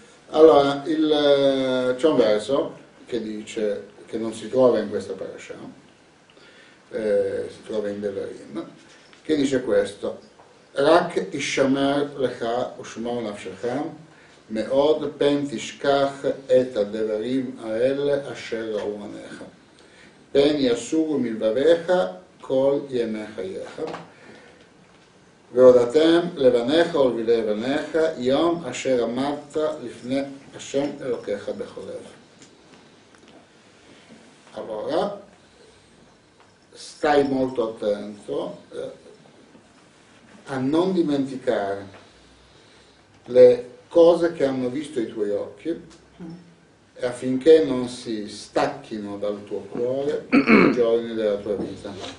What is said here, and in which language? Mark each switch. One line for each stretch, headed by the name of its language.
Italian: Allora, c'è un verso che dice che non si trova in questa parasha, si trova in Devarim, che dice questo:
Hebrew: Rak ishamer lecha ushmor nafshecham, me'od pen tishkach et ha-devarim ha'ele asher ra'u anecha. פן יסורו מלבביך כל ימי חייך. והודתם לבניך ולבני בניך יום אשר עמדת לפני השם אלוקיך בכל לב.
Italian: Allora, stai molto attento a non dimenticare le cose che hanno visto i tuoi occhi, affinché non si stacchino dal tuo cuore tutti i giorni della tua vita.